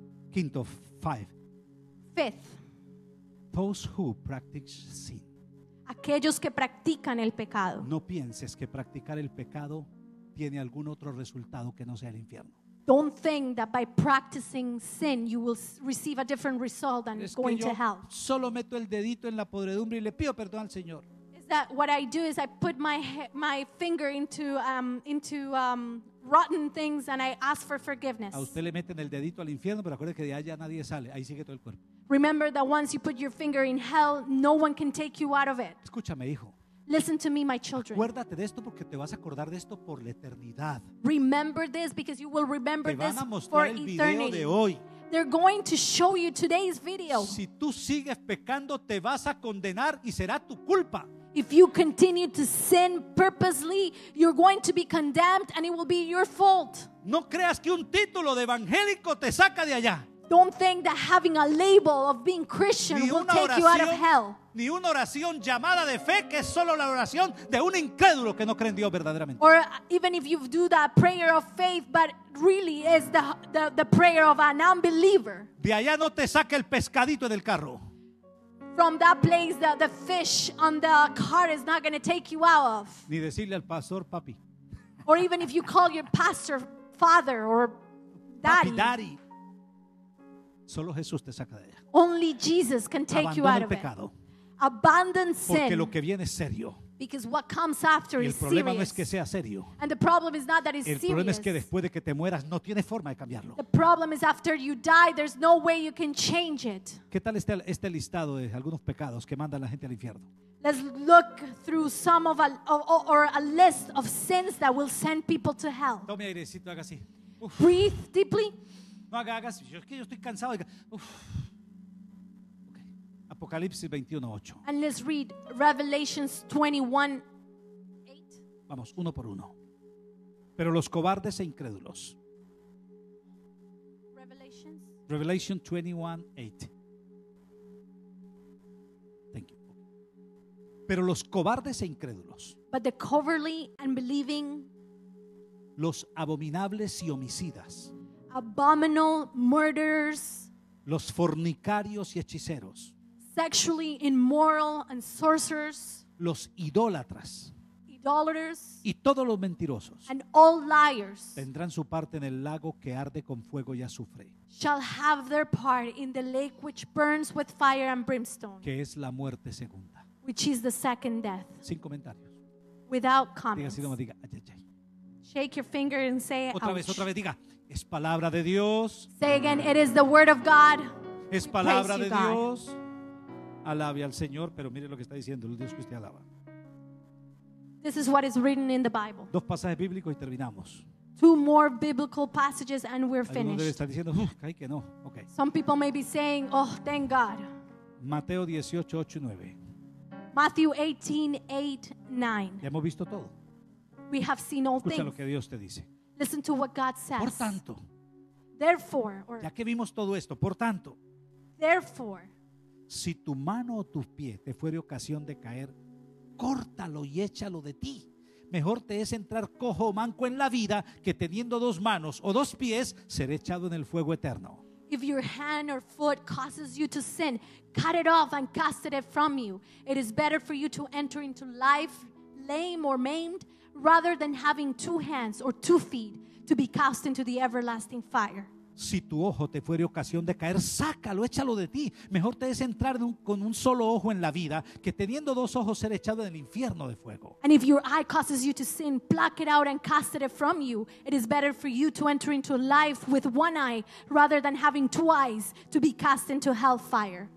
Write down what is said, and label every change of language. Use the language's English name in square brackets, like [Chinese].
[Spanish] Quinto, [English] fifth. Those who practice sin. [Spanish] Aquellos que practican el pecado. No pienses que practicar el pecado tiene algún otro resultado que no sea el infierno. [English] Don't think that by practicing sin you will receive a different result than [Spanish] es [English] going [Spanish] que yo [English] to hell. [Spanish] Solo meto el dedito en la podredumbre y le pido perdón al Señor. [English] Is that what I do? Is I put my finger into rotten things and I ask for forgiveness. [Spanish] A usted le meten el dedito al infierno, pero acuérdese que de allá nadie sale. Ahí sigue todo el cuerpo. [English] Remember that once you put your finger in hell, no one can take you out of it. [Spanish] Escúchame, hijo. [English] Listen to me, my children. [Spanish] Acuérdate de esto porque te vas a acordar de esto por la eternidad. [English] Remember this because you will remember this for eternity. [Spanish] Te van a mostrar el video de hoy. [English] They're going to show you today's video. [Spanish] Si tú sigues pecando, te vas a condenar y será tu culpa. [English] If you continue to sin purposely, you're going to be condemned and it will be your fault. [Spanish] No creas que un título de evangélico te saca de allá. [English] Don't think that having a label of being Christian will take you out of hell. [Spanish] Ni una oración llamada de fe que es solo la oración de un incrédulo que no cree en Dios verdaderamente. [English] Or even if you do that prayer of faith, but really is the prayer of an unbeliever. [Spanish] De allá no te saca el pescadito del carro. [English] From that place that the fish on the car is not going to take you out of. [Spanish] Ni decirle al pastor papi. [English] Or even if you call your pastor father or daddy. [Spanish] Papi, daddy. Solo Jesús te saca de allá. [English] Only Jesus can take [Spanish] Abandona [English] you out [Spanish] el [English] of [Spanish] pecado. [English] It. Abandon sin. [Spanish] Porque lo que viene es serio. [English] Because what comes after [Spanish] y el [English] is [Spanish] problema [English] serious. [Spanish] No es que sea serio. [English] And the problem is not that it's [Spanish] el [English] serious. [Spanish] El problema es que después de que te mueras no tiene forma de cambiarlo. [English] The problem is after you die there's no way you can change it. [Spanish] ¿Qué tal este listado de algunos pecados que mandan la gente al infierno? [English] Let's look through some of a list of sins that will send people to hell. [Spanish] Tome airecito, haga así. Uf. [English] Breathe deeply. [Spanish] No haga así. Yo es que yo estoy cansado. Uf. Apocalipsis 21:8. [English] And let's read Revelations 21:8. [Spanish] Vamos, uno por uno. Pero los cobardes e incrédulos. [English] Revelations 21:8. Thank you. [Spanish] Pero los cobardes e incrédulos. [English] But the cowardly and believing. [Spanish] Los abominables y homicidas. [English] Abominable murderers. [Spanish] Los fornicarios y hechiceros. [English] Sexually immoral and sorcerers, [Spanish] los idólatras, [English] idolaters, [Spanish] y todos los mentirosos, [English] and all liars, [Spanish] tendrán su parte en el lago que arde con fuego y azufre, [English] shall have their part in the lake which burns with fire and brimstone, [Spanish] que es la muerte segunda, [English] which is the second death, [Spanish] sin comentarios, [English] without comments. [Spanish] Diga así como diga, ay, ay, ay. [English] Shake your finger and say, [Spanish] otra [English] ouch. [Spanish] Vez, otra vez, diga, es palabra de Dios. [English] Say again, it is the word of God. [Spanish] Es palabra de Dios. Alabe al Señor, pero mire lo que está diciendo el Dios que usted alaba. [English] This is what is written in the Bible. [Spanish] Dos pasajes bíblicos y terminamos. [English] Two more biblical passages and we're finished. [Spanish] Algunos deben estar diciendo, ay, que no. Okay. [English] Some people may be saying, oh, thank God. [Spanish] Mateo 18, 8 y 9. [English] Matthew 18, 8, 9. [Spanish] Ya hemos visto todo. [English] We have seen all [Spanish] Escucha [English] things. [Spanish] Lo que Dios te dice. [English] Listen to what God says. [Spanish] Por tanto. [English] Therefore. Or, [Spanish] ya que vimos todo esto, por tanto. [English] Therefore. [Spanish] Si tu mano o tu pie te fuere ocasión de caer, córtalo y échalo de ti. mejor te es entrar cojo o manco en la vida que teniendo dos manos o dos pies ser echado en el fuego eterno. [English] If your hand or foot causes you to sin, cut it off and cast it from you. It is better for you to enter into life lame or maimed rather than having two hands or two feet to be cast into the everlasting fire. [Spanish] Si tu ojo te fuere ocasión de caer, sácalo, échalo de ti. Mejor te es entrar con un solo ojo en la vida que teniendo dos ojos ser echado en el infierno de fuego. [English] And if your eye causes you to sin, pluck it out and cast it from you. It is better for you to enter into life with one eye rather than having two eyes to be cast into hellfire.